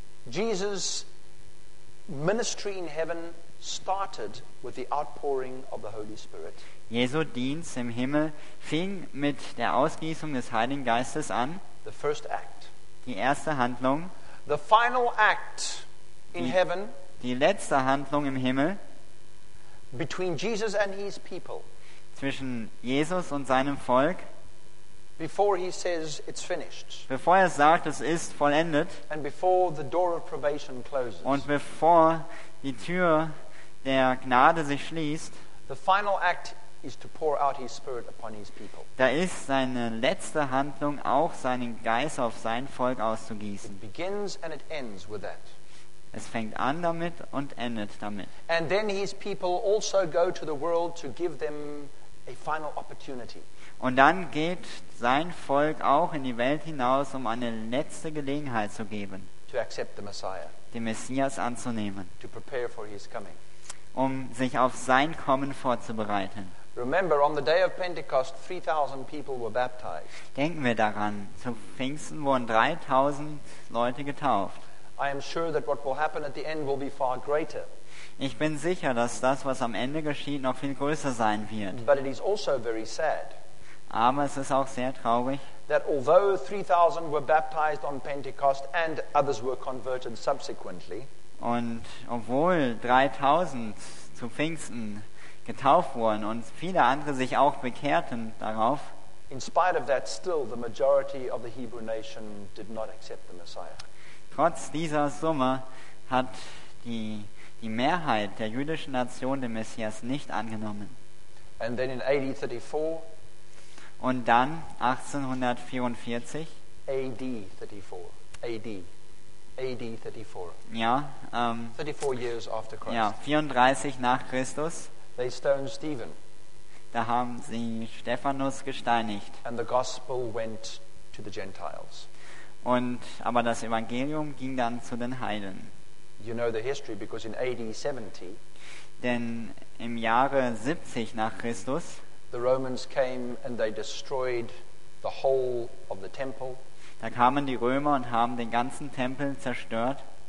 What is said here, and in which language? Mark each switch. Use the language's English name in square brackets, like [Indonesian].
[English] Jesus ministry in heaven started with the outpouring of the Holy Spirit. [German] Jesu Dienst im Himmel fing mit der Ausgießung des Heiligen Geistes an. [English] The first act. [German] Die erste Handlung. [English] The final act in heaven. [German] Die letzte Handlung im Himmel. [English] Between Jesus and his people. [German] Zwischen Jesus und seinem Volk. [English] Before he says it's finished. [German] Bevor er sagt, es ist vollendet. [English] And before the door of probation closes. [German] Und bevor die Tür der Gnade sich schließt. [English] The final act is to pour out his spirit upon his people. [German] Da ist seine letzte Handlung, auch seinen Geist auf sein Volk auszugießen. [English] It begins and it ends with that. [German] Es fängt an damit und endet damit. [English] And then his people also go to the world to give them a final opportunity. [German] Und dann geht sein Volk auch in die Welt hinaus, um eine letzte Gelegenheit zu geben, [English] to accept the Messiah, [German] den Messias anzunehmen, [English] to prepare for his coming, [German] um sich auf sein Kommen vorzubereiten. [English] Remember, on the day of Pentecost, 3,000 people were baptized. [German] Denken wir daran, zu Pfingsten wurden 3,000 Leute getauft. [English] I am sure that what will happen at the end will be far greater. [German] Ich bin sicher, dass das, was am Ende geschieht, noch viel größer sein wird. [English] But it is also very sad. [German] Aber es ist auch sehr traurig, [English] that although 3,000 were baptized on Pentecost and others were converted subsequently, [German] und obwohl 3,000 zu Pfingsten getauft wurden und viele andere sich auch bekehrten darauf, [English] in spite of that, still the majority of the Hebrew nation did not accept the Messiah. [German] Trotz dieser Summe hat die Mehrheit der jüdischen Nation den Messias nicht angenommen. [English] And then in AD 34, [German] und dann 1844 [English] AD 34 AD 34 [German] ja [English] 34 years after Christ, [German] ja, 34 nach Christus, [English] they stoned Stephen. [German] Da haben sie Stephanus gesteinigt. [English] And the gospel went to the Gentiles. [German] Und aber das Evangelium ging dann zu den Heiden. [English] You know the history, because in AD 70, [German] denn im Jahre 70 nach Christus, [English] the Romans came and they destroyed the whole of the temple. [German] Da kamen die Römer und haben den ganzen Tempel zerstört.